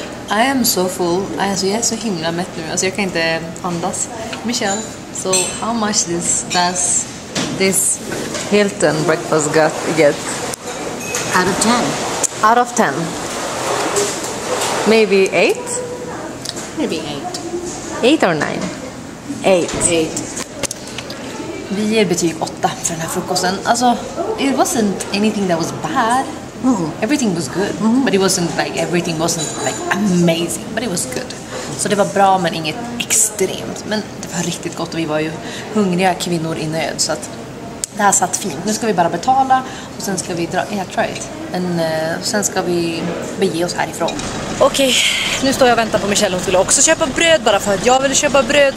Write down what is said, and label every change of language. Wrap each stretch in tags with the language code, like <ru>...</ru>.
<en>I am so full.</en> <sv>Alltså jag är så himla mätt nu. Alltså jag kan inte andas.</sv> <en>Michelle, so how much does this Hilton breakfast get? Out of 10. Out of 10. Maybe 8? Maybe 8. 8 or 9? 8. 8.</en> <sv>Vi ger betyg 8 för den här frukosten.</sv> <en>Alltså, it wasn't anything that was bad. Mm-hmm. Everything was good, mm-hmm. But it wasn't like everything wasn't like amazing, but it was good.</en> <sv>Så det var bra men inget extremt, men det var riktigt gott och vi var ju hungriga kvinnor i nöd så att Det här satt fint. Nu ska vi bara betala och sen ska vi dra airtrail. Sen ska vi bege oss härifrån. Okej, nu står jag och väntar på Michelle. Hon skulle också köpa bröd bara för att jag ville köpa bröd.</sv>